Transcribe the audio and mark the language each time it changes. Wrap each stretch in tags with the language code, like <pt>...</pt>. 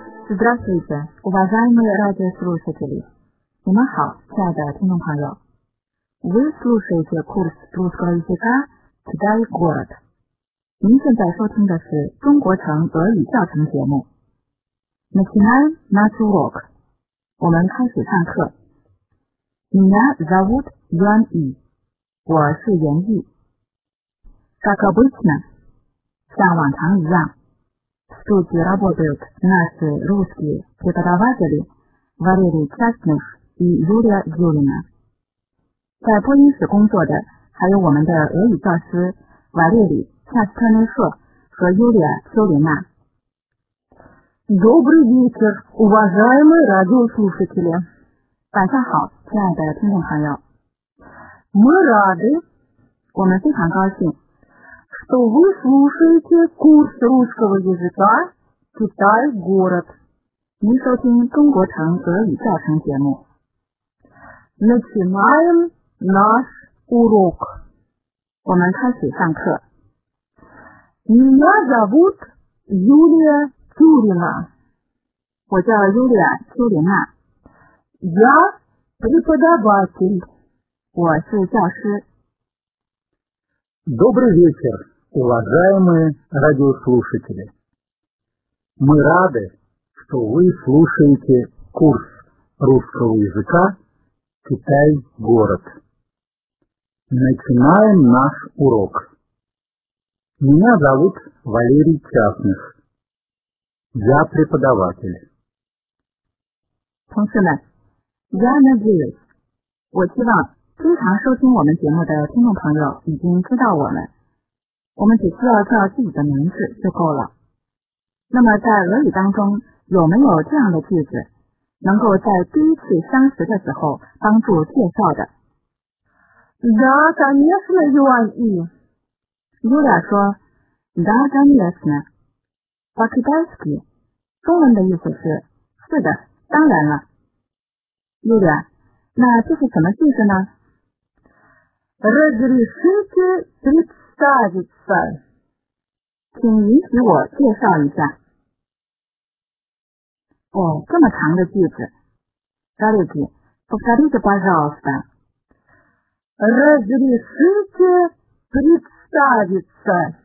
<ru>Здравствуйте, уважаемые радиослушатели!</ru> <zh>你们好，亲爱的听众朋友。</zh> <ru>Вы слушаете курс русского языка Китай город.</ru> <zh>您现在收听的是中国城俄语教程节目。</zh> <ru>Начинаем наш урок.</ru> <zh>我们开始上课。</zh> <ru>Меня зовут Юан И.</ru> <zh>我是袁毅。</zh> <ru>Как обычно,</ru> <zh>像往常一样。</zh> <ru>Тут работают наши русские преподаватели Валерий Часнев и Юлия Зюлина.</ru> <zh>在播音室工作的还有我们的俄语教师瓦列里·恰斯特内赫和尤里亚·丘琳娜。</zh> <ru>Добрый вечер, уважаемые радиослушатели.</ru> <zh>晚上好，亲爱的听众朋友。</zh> <ru>Мы рады.</ru> <zh>我们非常高兴。</zh> <ru>Что вы слушаете курс русского языка Китай город.</ru> <zh>您收听中国城俄语教程节目。</zh> <ru>Начинаем наш урок.</ru> <zh>我们开始上课。</zh> <ru>Меня зовут Юлия Зюлина.</ru> <zh>我叫 Юлия Зюлина.</zh> <ru>Я преподаватель.</ru> <zh>我是教师。</zh> <ru>Добрый вечер. Уважаемые радиослушатели, мы рады, что вы слушаете курс русского языка «Китай-город». Начинаем наш урок. Меня зовут Валерий Часных. Я преподаватель.</ru> <zh>同学们，</zh> <ru>я надеюсь,</ru> <zh>我希望经常收听我们节目的听众朋友已经知道我们。我们只需要叫自己的名字就够了。那么在俄语当中有没有这样的句子能够在第一次相识的时候帮助介绍的？</zh> <ru>Да, конечно, Юан И. Юля说 Да, конечно. По-китайски</ru> <zh>中文的意思是是的，当然了。 Юля, 那这是什么句子呢？</zh> <ru>Разрешите представить.</ru> <zh>请允许我介绍一下。哦，这么长的句子。</zh> <ru>Скажите, покажите, пожалуйста. Разрешите представиться.</ru>